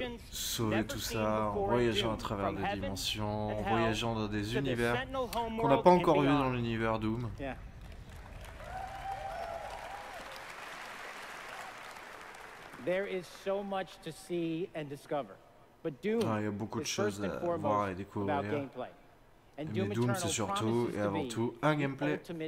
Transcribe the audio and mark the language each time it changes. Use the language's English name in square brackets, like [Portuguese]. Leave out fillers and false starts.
[French] sauver tout ça, en voyageant à travers des dimensions, en voyageant dans des univers qu'on n'a pas encore vu dans l'univers Doom. [English] There is so much to see and discover. But Doom, [French] il y a beaucoup de choses à voir et découvrir. Mais Doom, c'est surtout et avant tout un gameplay.